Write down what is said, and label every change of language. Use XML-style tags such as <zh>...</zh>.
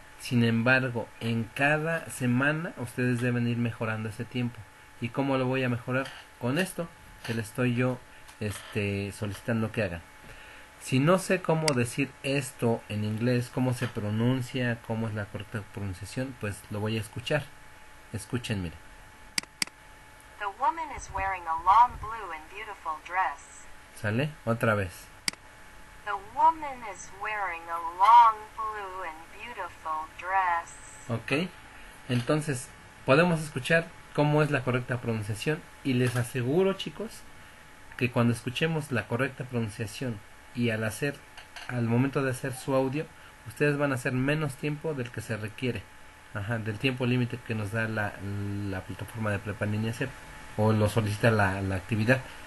<es>Sin embargo, en cada semana ustedes deben ir mejorando ese tiempo. ¿Y cómo lo voy a mejorar? Con esto que le estoy yo solicitando que hagan. Si no sé cómo decir esto en inglés, cómo se pronuncia, cómo es la correcta pronunciación, pues lo voy a escuchar. Escuchen, miren.</es> <en>The woman is wearing a long blue and beautiful dress.</en> <es>¿Sale? Otra vez.</es> <en>The woman is wearing a long blue and beautiful dress.</en> <es>Ok, entonces podemos escuchar cómo es la correcta pronunciación y les aseguro, chicos, que cuando escuchemos la correcta pronunciación y al momento de hacer su audio, ustedes van a hacer menos tiempo del que se requiere, del tiempo límite que nos da la plataforma de Prepa Niña C, o lo solicita la actividad.</es>